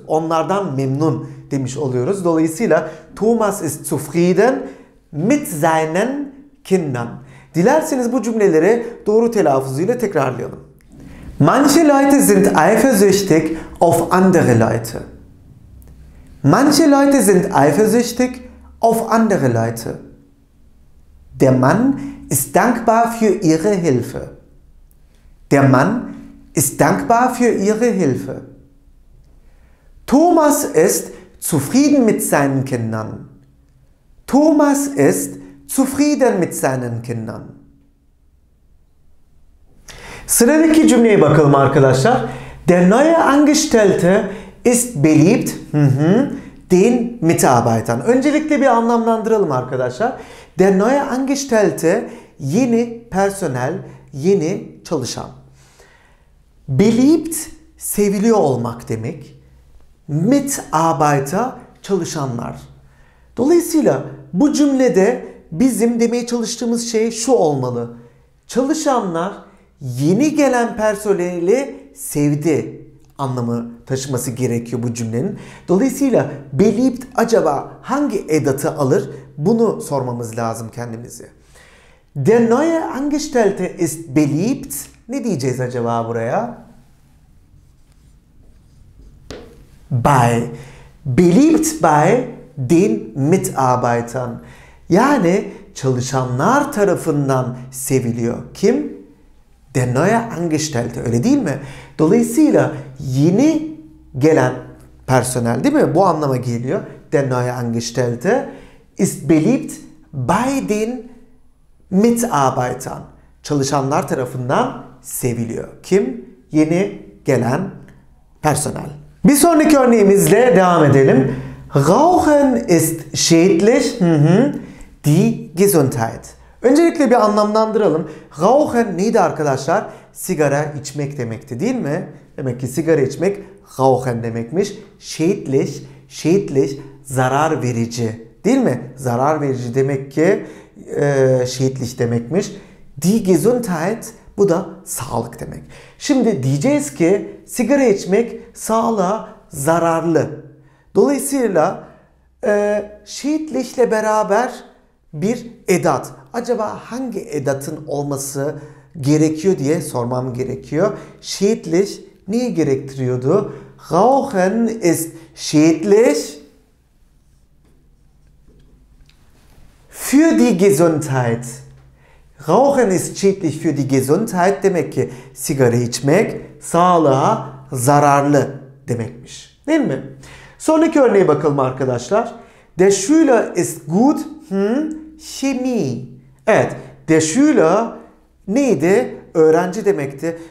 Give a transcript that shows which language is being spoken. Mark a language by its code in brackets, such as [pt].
[tr] Onlardan memnun demiş oluyoruz. Dolayısıyla [de] Thomas ist zufrieden mit seinen Kindern. [tr] Dilerseniz bu cümleleri doğru telaffuzuyla tekrarlayalım. [de] Manche Leute sind eifersüchtig auf andere Leute. Manche Leute sind eifersüchtig auf andere Leute. Der Mann ist dankbar für ihre Hilfe. Der Mann ist dankbar für ihre Hilfe. Thomas ist zufrieden mit seinen Kindern. Thomas ist zufrieden mit seinen Kindern. [tr] Sıradaki cümleye bakalım arkadaşlar. [de] Der neue Angestellte ist beliebt den Mitarbeitern. [tr] Öncelikle bir anlamlandıralım arkadaşlar. [de] Der neue Angestellte, [tr] yeni personel, yeni çalışan. Beliebt, seviliyor olmak demek. Mitarbeiter, çalışanlar. Dolayısıyla bu cümlede bizim demeye çalıştığımız şey şu olmalı. Çalışanlar yeni gelen personeli sevdi anlamı taşıması gerekiyor bu cümlenin. Dolayısıyla believed acaba hangi edatı alır, bunu sormamız lazım kendimize. [de] Der neue Angestellte ist beliebt. [tr] Ne diyeceğiz acaba buraya? [de] Bei. Beliebt bei den Mitarbeitern. [tr] Yani çalışanlar tarafından seviliyor. Kim? [de] Der neue Angestellte. [tr] Öyle değil mi? Dolayısıyla yeni gelen personel, değil mi? Bu anlama geliyor. [de] Der neue Angestellte ist beliebt bei den Mitarbeitern. [tr] Çalışanlar tarafından seviliyor. Kim? Yeni gelen personel. Bir sonraki örneğimizle devam edelim. [de] Rauchen ist schädlich. Die Gesundheit. [tr] Öncelikle bir anlamlandıralım. Rauchen neydi arkadaşlar? Sigara içmek demekti, değil mi? Demek ki sigara içmek Rauchen demekmiş. Schädlich, schädlich zarar verici, değil mi? Zarar verici demek ki schädlich demekmiş. [de] Die Gesundheit, [tr] bu da sağlık demek. Şimdi diyeceğiz ki sigara içmek sağlığa zararlı. Dolayısıyla schädlich ile beraber bir edat. Acaba hangi edatın olması gerekiyor diye sormam gerekiyor. Schädlich niye gerektiriyordu? [de] Rauchen ist schädlich für die Gesundheit. Rauchen ist schädlich für die Gesundheit. [tr] Demek ki sigara içmek sağlığa zararlı demekmiş. Değil mi? Sonraki örneğe bakalım arkadaşlar. [de] Der Schüler ist gut. Chemie. [tr] Evet. [de] Der Schüler [tr] neydi? Öğrenci demekti.